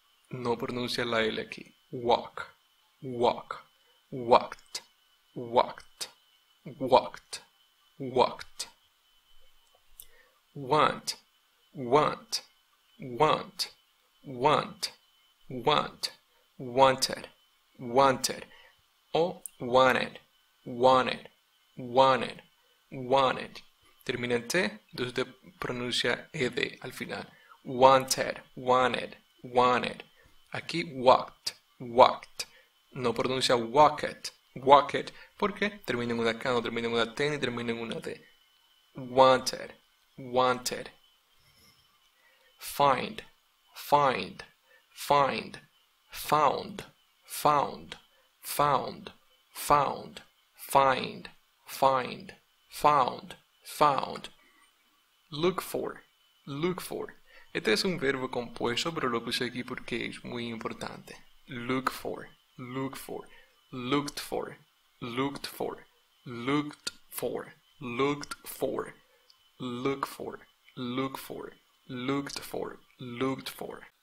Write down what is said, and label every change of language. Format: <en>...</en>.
<es>No pronuncia la L aquí.</es> <en>Walk, walk, walked, walked, walked, walked. Want, want, want, want, want, wanted, wanted, or wanted, wanted, wanted, wanted.</en> <es>Termina en T, entonces usted pronuncia ED al final.</es> <en>Wanted, wanted, wanted. Aquí walked, walked.</en> <es>No pronuncia</es> <en>walked, walked,</en> <es>porque termina en una K, no termina en una T, ni termina en una D.</es> <en>Wanted. Wanted. Find, find, find, found, found, found, found, find, find, found, found. Look for,</en> <es>este es un verbo compuesto, pero lo puse aquí porque es muy importante.</es> <en>Look for, look for, looked for, looked for, looked for, looked for, look for, look for, looked for, looked for.</en>